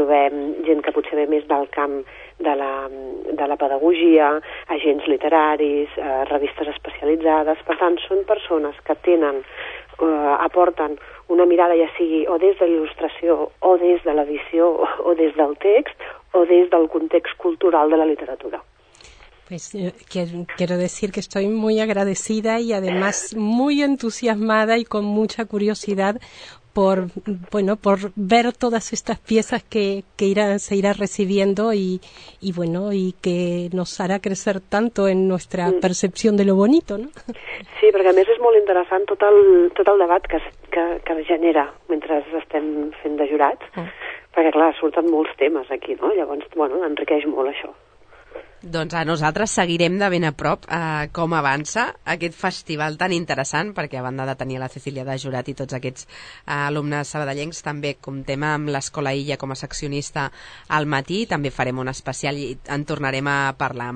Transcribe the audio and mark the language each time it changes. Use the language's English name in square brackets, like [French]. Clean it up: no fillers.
[Catalan] trobem gent que potser ve més del camp de la pedagogia, agents literaris, revistes especialitzades. Per tant, són persones que tenen, aporten una mirada, ja sigui o des de l'il·lustració, o des de l'edició, o des del text, o des del context cultural de la literatura. [Spanish] Pues quiero decir que estoy muy agradecida y además muy entusiasmada y con mucha curiosidad por, bueno, por ver todas estas piezas que irán, se irá recibiendo y bueno, y que nos hará crecer tanto en nuestra percepción de lo bonito, ¿no? [Catalan] Sí, porque a més és molt interessant tot el debat que genera mentre estem fent de jurats, perquè clar, surten molts temes aquí, no? Llavors, bueno, enriqueix molt això. Doncs a nosaltres seguirem de ben a prop com avança aquest festival tan interessant, perquè a banda de tenir la Cecília de jurat i tots aquests alumnes sabadellencs, també comptem amb l'Escola Illa com a seccionista al matí, també farem un especial i en tornarem a parlar.